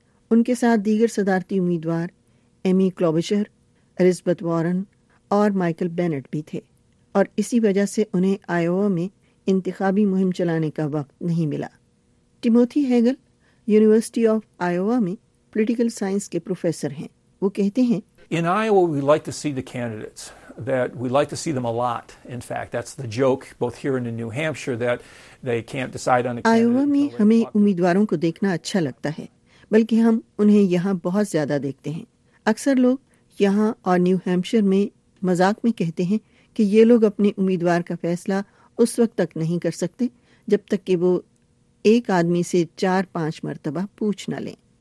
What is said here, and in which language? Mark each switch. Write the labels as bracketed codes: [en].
[ur] ان کے ساتھ دیگر صدارتی امیدوار ایمی کلوبیچر، الزبتھ وارن اور مائیکل بینٹ بھی تھے، اور اسی وجہ سے انہیں آئیووا میں انتخابی مہم چلانے کا وقت نہیں ملا. ٹیموتھی ہیگل یونیورسٹی آف آئیووا میں پولیٹیکل سائنس کے پروفیسر ہیں. وہ کہتے ہیں [en] In Iowa, we like to see the candidates. That we like to see them a lot. In fact, that's the joke, both here and in New Hampshire, that they can't decide on a candidate. [ur] Iowa میں ہمیں امیدواروں کو دیکھنا اچھا لگتا ہے، بلکہ ہم انہیں یہاں بہت زیادہ دیکھتے ہیں. اکثر لوگ یہاں اور نیو ہیمپشر میں مذاق میں کہتے ہیں کہ یہ لوگ اپنے امیدوار کا فیصلہ اس وقت تک نہیں کر سکتے جب تک کہ وہ ایک آدمی سے چار پانچ مرتبہ پوچھ نہ لیں.